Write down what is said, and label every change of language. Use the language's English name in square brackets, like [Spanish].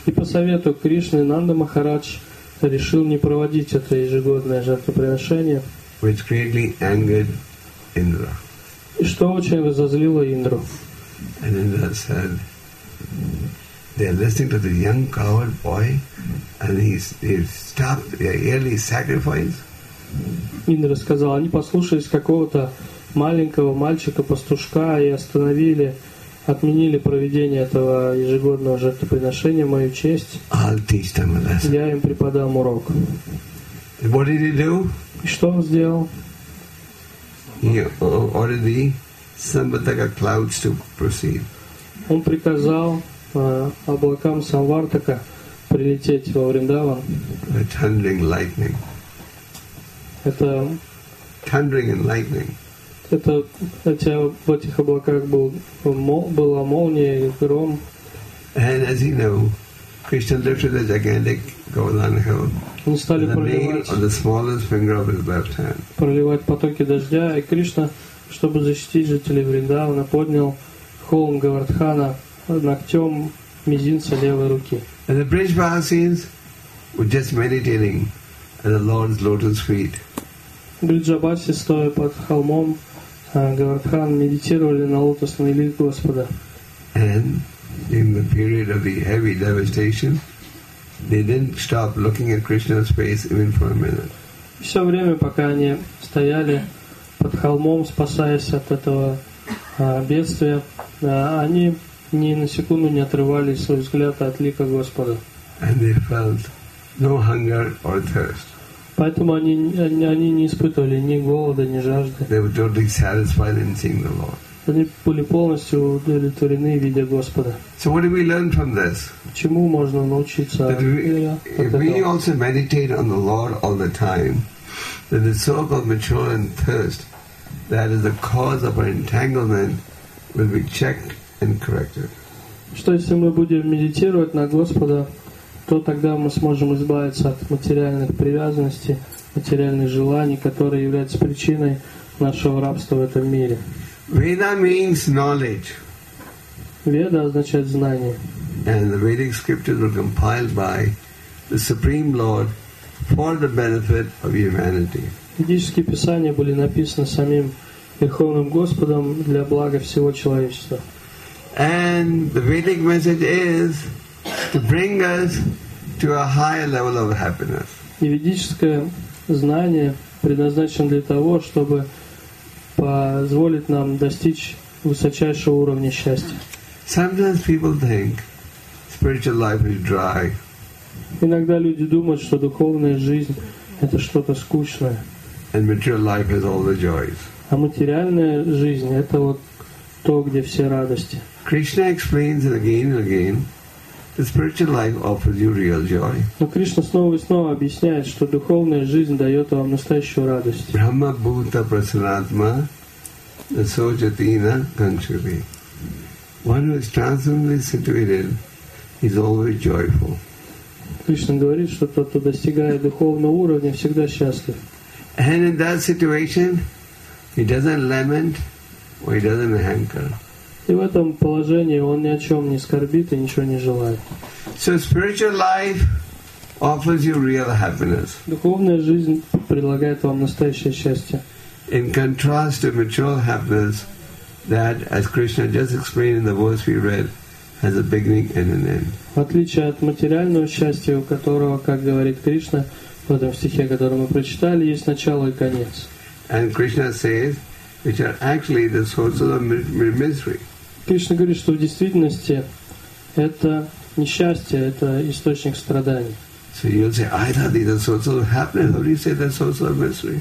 [Russian] И по совету Кришны Нанда Махарадж решил не проводить это ежегодное жертвоприношение, [English] which greatly angered Indra. [Russian] И что очень разозлило Индру. [English] And Indra said, "They are listening to the young coward boy, and he's stopped their yearly sacrifice." [Russian] Индра сказал, они послушались какого-то маленького мальчика пастушка и остановили, отменили проведение этого ежегодного жертвоприношения в мою честь. [English] I'll teach them a lesson. [Russian] Я им преподам урок. [English] And what did he do? [Russian] И что он сделал? [English] He ordered the Samvartaka clouds to proceed. [Russian] Он приказал облакам Самвартака прилететь во Вриндаван. [English] A thundering lightning. [Russian] Это [English] thundering and lightning. [Russian] Это хотя в этих облаках была молния и гром. [English] And as you know, Krishna lifted the gigantic Govardhan hill. [Russian] Он стали проливать потоки дождя, и Кришна, чтобы защитить жителей Вриндавана, поднял холм Говардхана ногтем мизинца левой руки. [English] And the Брижбасинс were just meditating at the Lord's lotus feet. [Russian] Бриджабаси, стоя под холмом Говардхан, медитировали на лотосные лик Господа. [English] And in the period of the heavy devastation, they didn't stop looking at Krishna's face even for a minute. [Russian] Все время, пока они стояли под холмом, спасаясь от этого бедствия, они ни на секунду не отрывали свой взгляд от лика Господа. [English] And they felt no hunger or thirst. [Russian] Поэтому они не испытывали ни голода, ни жажды. [English] They were totally satisfied in seeing the Lord. [Russian] Они были полностью удовлетворены, видя Господа. [English] So what do we learn from this? [Russian] Чему можно научиться? [English] We also meditate on the Lord all the time, then the so-called material and thirst that is the cause of our entanglement will be checked and corrected. [Russian] Что если мы будем медитировать на Господа, то тогда мы сможем избавиться от материальных привязанностей, материальных желаний, которые являются причиной нашего рабства в этом мире. [English] Veda means knowledge. [Russian] Veda означает знание. [English] And the Vedic scriptures were compiled by the Supreme Lord for the benefit of humanity. [Russian] Ведические писания были написаны самим Верховным Господом для блага всего человечества. [English] And the Vedic message is to bring us to a higher level of happiness. [Russian] И ведическое знание предназначено для того, чтобы позволит нам достичь высочайшего уровня счастья. [English] Sometimes people think spiritual life is dry. [Russian] Иногда люди думают, что духовная жизнь это что-то скучное. [English] And material life has all the joys. [Russian] А материальная жизнь это вот то, где все радости. [English] Krishna explains it again and again. The spiritual life offers you real joy. [Russian] Но Кришна снова и снова объясняет, что духовная жизнь дает вам настоящую радость. [Sanskrit] Brahma Bhuta Prasanatma Sojatina Kanchuri. [English] One who is transcendently situated is always joyful. [Russian] Кришна говорит, что тот, кто достигает духовного уровня, всегда счастлив. [English] And in that situation, he doesn't lament or he doesn't hanker. [Russian] И в этом положении он ни о чем не скорбит и ничего не желает. [English] So spiritual life offers you real happiness. [Russian] Духовная жизнь предлагает вам настоящее счастье. [English] In contrast to material happiness, that, as Krishna just explained in the verse we read, has a beginning and an end. [Russian] В отличие от материального счастья, у которого, как говорит Кришна в этом стихе, который мы прочитали, есть начало и конец. [English] And Krishna says, which are actually the sources of misery. [Russian] Кришна говорит, что в действительности это несчастье, это источник страданий. [English] So you'll say, I thought these are sources of happiness. How do you say they're sources of misery?